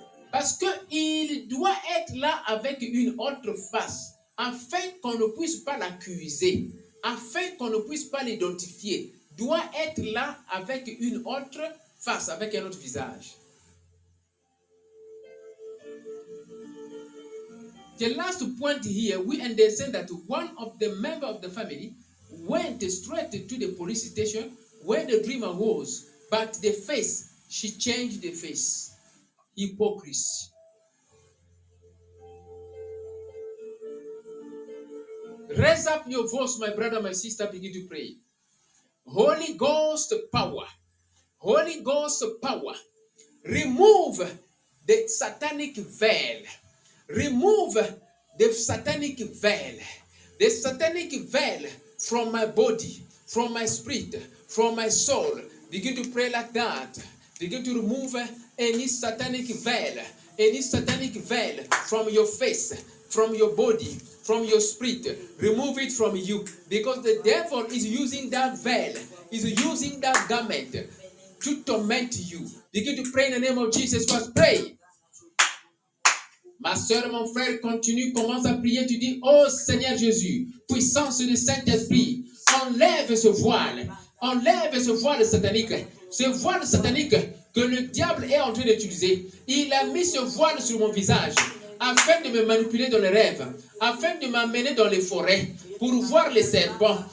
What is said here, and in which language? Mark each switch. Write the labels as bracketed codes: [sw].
[fr] Parce qu'il doit être là avec une autre face afin qu'on ne puisse pas l'accuser, afin qu'on ne puisse pas l'identifier. Doit être là avec une autre face, avec un autre visage. [en] The last point here, we understand that one of the members of the family went straight to the police station where the dreamer was, but the face, she changed the face. Hypocrisy. Raise up your voice, my brother, my sister, begin to pray. Holy Ghost power. Holy Ghost power. Remove the satanic veil. Remove the satanic veil. The satanic veil from my body, from my spirit, from my soul. Begin to pray like that. Begin to remove any satanic veil from your face, from your body, from your spirit. Remove it from you, because the devil is using that veil, is using that garment to torment you. Begin to pray in the name of Jesus Christ. Pray. [fr] Ma sœur, mon frère, continue, commence à prier. Tu dis, oh Seigneur Jésus, puissance du Saint-Esprit, enlève ce voile. Enlève ce voile satanique. Ce voile satanique que le diable est en train d'utiliser. Il a mis ce voile sur mon visage afin de me manipuler dans les rêves, afin de m'amener dans les forêts pour voir les serpents.